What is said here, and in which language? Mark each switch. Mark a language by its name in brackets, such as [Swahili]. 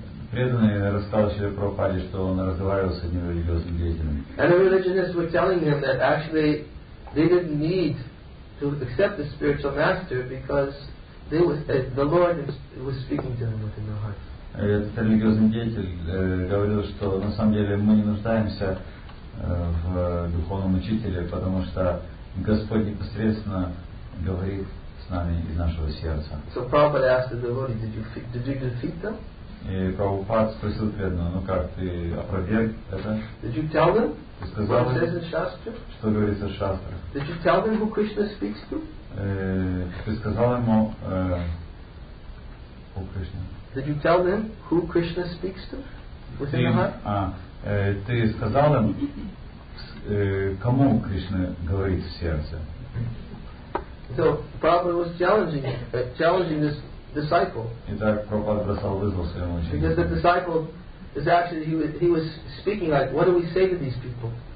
[Russian] Преданный рассказал Шриле Прабхупаде, что он разговаривал с одним религиозным деятелем. [English] And the religionists were telling him that actually they didn't need to accept the spiritual master because they was the Lord was speaking to them within their hearts. [Russian] Этот религиозный деятель говорил, что на самом деле мы не нуждаемся в духовном учителе, потому что Господь непосредственно говорит с нами из нашего сердца. [English] So Prabhupada asked the devotee, did you defeat them? [Russian] И Прабхупада спросил преданного, ну как, ты опроверг это? [English] Did you tell them? [Russian] Ты сказал [English] what says in Shastra? [Russian] Что говорится в Шастре? [English] Did you tell them who Krishna speaks to? [Russian] Ты сказал ему, [English] who Krishna? Did you tell them who Krishna speaks to? [Russian] Ты сказал им, кому Кришна говорит в сердце? [English] So Prabhupada was challenging this disciple. [Russian] Итак, Прабхупада бросал вызов своему ученику. [English] Because the disciple is actually he was speaking like, what do we say to these people?